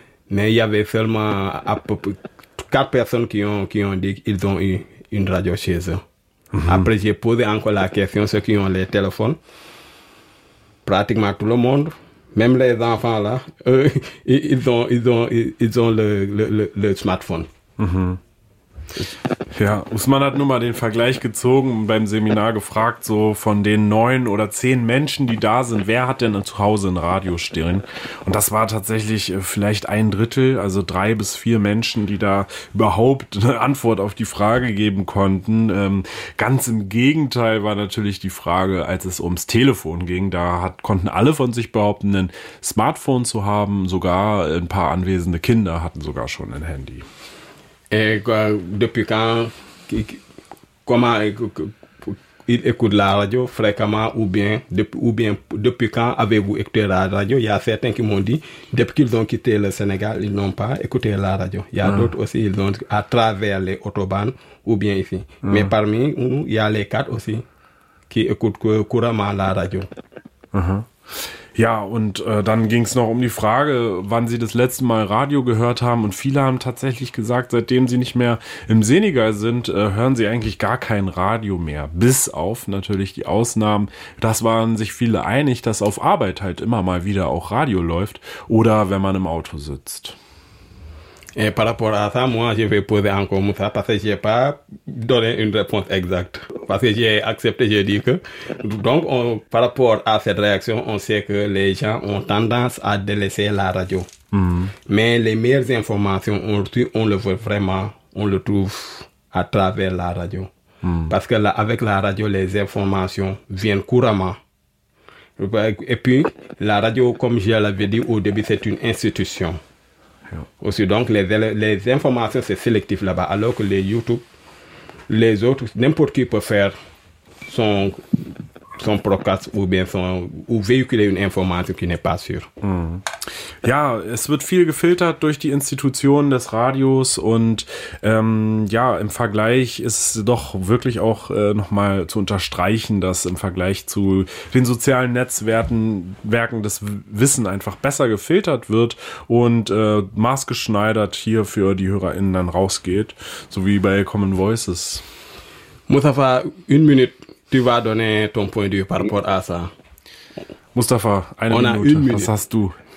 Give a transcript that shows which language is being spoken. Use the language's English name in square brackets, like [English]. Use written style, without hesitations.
[French] Mais il y avait seulement à peu près 4 personnes qui ont dit qu'ils ont eu une radio chez eux. Mm-hmm. Après, j'ai posé encore la question, ceux qui ont les téléphones, pratiquement tout le monde, même les enfants là, eux, ils ont le smartphone. Mm-hmm. [German] Ja, Ousmane hat nur mal den Vergleich gezogen und beim Seminar gefragt, so von den 9 oder 10 Menschen, die da sind, wer hat denn zu Hause ein Radio stehen? Und das war tatsächlich vielleicht ein Drittel, also 3 bis 4 Menschen, die da überhaupt eine Antwort auf die Frage geben konnten. Ganz im Gegenteil war natürlich die Frage, als es ums Telefon ging, da konnten alle von sich behaupten, ein Smartphone zu haben, sogar ein paar anwesende Kinder hatten sogar schon ein Handy. [French] Et depuis quand, comment il écoute la radio fréquemment ou bien depuis quand avez-vous écouté la radio? Il y a certains qui m'ont dit, depuis qu'ils ont quitté le Sénégal, ils n'ont pas écouté la radio. Il y a d'autres aussi, ils ont à travers les autobahnes ou bien ici. Mais parmi nous, il y a les 4 aussi qui écoutent couramment la radio. [German] Ja, und dann ging es noch um die Frage, wann sie das letzte Mal Radio gehört haben. Und viele haben tatsächlich gesagt, seitdem sie nicht mehr im Senegal sind, hören sie eigentlich gar kein Radio mehr. Bis auf natürlich die Ausnahmen. Das waren sich viele einig, dass auf Arbeit halt immer mal wieder auch Radio läuft. Oder wenn man im Auto sitzt. [French] Et par rapport à ça, moi, je vais poser encore Moussa parce que je n'ai pas donné une réponse exacte. Parce que j'ai accepté, j'ai dit que... Donc, par rapport à cette réaction, on sait que les gens ont tendance à délaisser la radio. Mais les meilleures informations, on le voit vraiment, on le trouve à travers la radio. Parce que là, avec la radio, les informations viennent couramment. Et puis, la radio, comme je l'avais dit au début, c'est une institution. Aussi, donc, les informations, c'est sélectif là-bas, alors que les YouTube, les autres, n'importe qui peut faire son podcast ou véhiculer une information qui n'est pas sûre. [German] Ja, es wird viel gefiltert durch die Institutionen des Radios und ja, im Vergleich ist doch wirklich auch nochmal zu unterstreichen, dass im Vergleich zu den sozialen Netzwerken das Wissen einfach besser gefiltert wird und maßgeschneidert hier für die HörerInnen dann rausgeht, so wie bei Common Voices. [French] Mustafa, une minute, tu vas donner ton point de vue par rapport à ça. [German] Mustafa, eine Minute, was hast du?